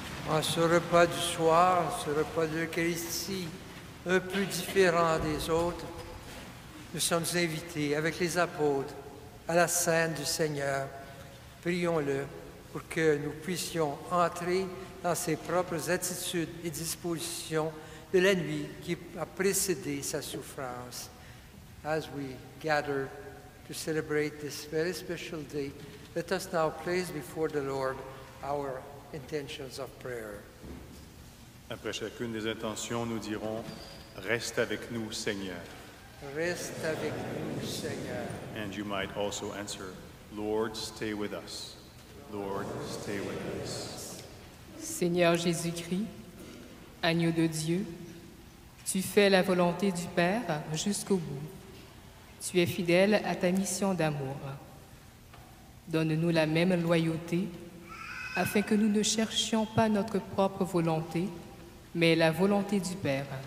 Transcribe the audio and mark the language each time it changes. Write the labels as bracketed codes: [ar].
[fr] À ce repas du soir, ce repas de l'Eucharistie, un peu différent des autres, nous sommes invités avec les apôtres à la scène du Seigneur. Prions-le pour que nous puissions entrer dans ses propres attitudes et dispositions de la nuit qui a précédé sa souffrance. [en] As we gather to celebrate this very special day, let us now place before the Lord our intentions of prayer. [fr] Après chacune des intentions, nous dirons reste avec nous, Seigneur. Reste avec nous, Seigneur. [en] And you might also answer, Lord, stay with us. Lord, stay with us. [fr] Seigneur Jésus-Christ, agneau de Dieu, tu fais la volonté du Père jusqu'au bout. Tu es fidèle à ta mission d'amour. Donne-nous la même loyauté afin que nous ne cherchions pas notre propre volonté, mais la volonté du Père.